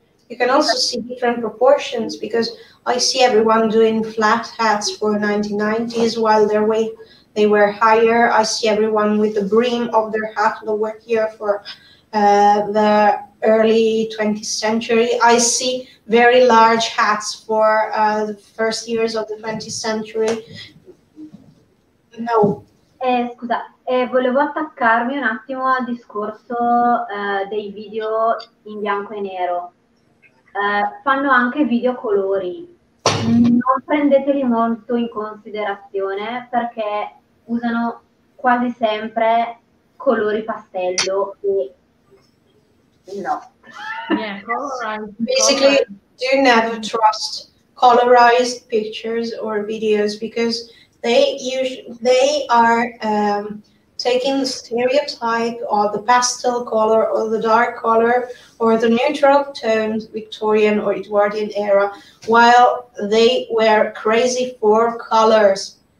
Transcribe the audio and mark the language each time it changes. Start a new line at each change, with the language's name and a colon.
English: You can also see different proportions, because I see everyone doing flat hats for 1990s while they were higher. I see everyone with the brim of their hat lower here for the early 20th century. I see very large hats for the first years of the 20th century. No.
Italian: Scusa, volevo attaccarmi un attimo al discorso dei video in bianco e nero. Fanno anche video colori. Non prendeteli molto in considerazione, perché usano quasi sempre colori pastello e no.
English: Yeah, colorized. Basically, do never trust colorized pictures or videos, because they are taking the stereotype of the pastel color or the dark color or the neutral tones Victorian or Edwardian era, while they were crazy for colors.